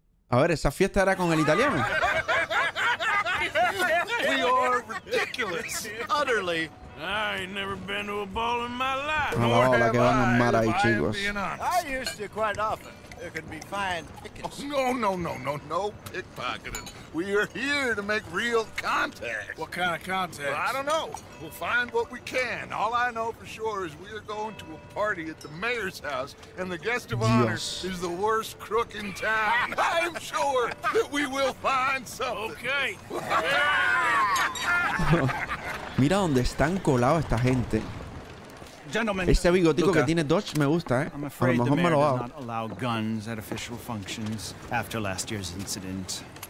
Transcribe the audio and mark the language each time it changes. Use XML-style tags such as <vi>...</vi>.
<es>A ver, esa fiesta era con el italiano.</es> <en>We are ridiculous. Utterly. I ain't never been to a ball in my life.</en> <es>Oh, nor la que van a mar ahí, chicos.</es> <en>I used to quite often. There could be fine pickings. Oh, no pickpocketing. We are here to make real contact. What kind of contact? Well, I don't know. We'll find what we can. All I know for sure is we are going to a party at the mayor's house, and the guest of honor is the worst crook in town. I'm sure that we will find something. Okay.</en> <es>Mira dónde están colados esta gente. Ese bigotico que tiene Dutch me gusta, ¿eh? A lo mejor me lo hago.</es> <en>Not allow guns at official functions after last year's incident.</en>